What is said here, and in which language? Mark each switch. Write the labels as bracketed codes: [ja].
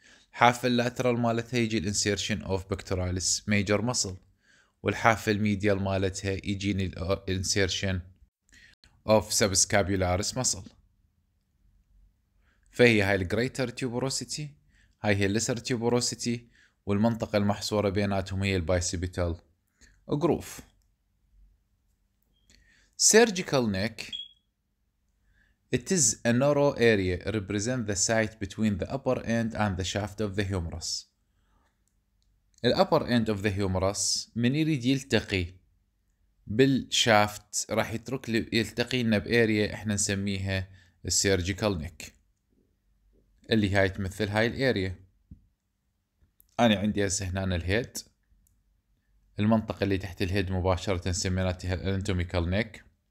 [ar] الحافه اللاترال مالتها يجي الانسيرشن اوف بكتوراليس ميجر مسل، والحافه الميديال مالتها يجي الانسيرشن اوف سبسكابيولاريس مسل. فهي هاي الجريتر تيوبروسيتي، هاي هي الليسر تيوبروسيتي، والمنطقه المحصوره بيناتهم هي البايسيبيتال جروف. [en] سيرجيكال نيك It is a narrow area represent the site between the upper end and the shaft of the humerus. The upper end of the humerus [ar] من يريد يلتقي بالشافت راح يترك يلتقي لنا بأريا احنا نسميها السيرجيكال نيك اللي هاي تمثل هاي الأريا. أنا عندي هسه هنا الهيد، المنطقة اللي تحت الهيد مباشرة سميناتها الأناتوميكال نيك.